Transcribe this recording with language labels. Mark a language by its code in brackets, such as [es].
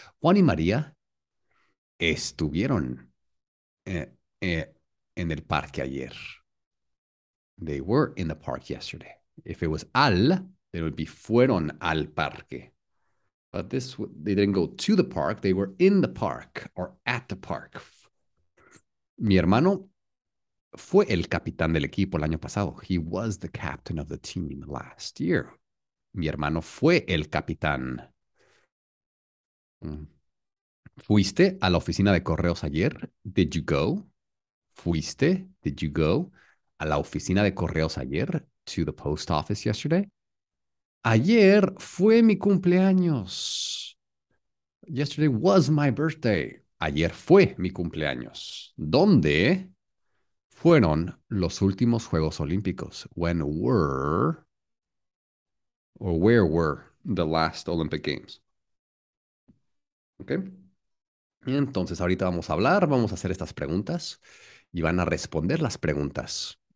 [es] Juan y María estuvieron en el parque ayer. [en] They were in the park yesterday. If it was al, then it would be [es] fueron al parque. [en] But this, they didn't go to the park. They were in the park or at the park. [es] Mi hermano fue el capitán del equipo el año pasado. [en] He was the captain of the team last year. [es] Mi hermano fue el capitán. ¿Fuiste a la oficina de correos ayer? [en] Did you go? [es] ¿Fuiste? Did you go? ¿A la oficina de correos ayer? [en] To the post office yesterday? [es] Ayer fue mi cumpleaños. [en] Yesterday was my birthday. [es] Ayer fue mi cumpleaños. ¿Dónde fueron los últimos Juegos Olímpicos? [en] When were or where were the last Olympic Games? Okay. [es] Entonces, ahorita vamos a hablar, vamos a hacer estas preguntas y van a responder las preguntas.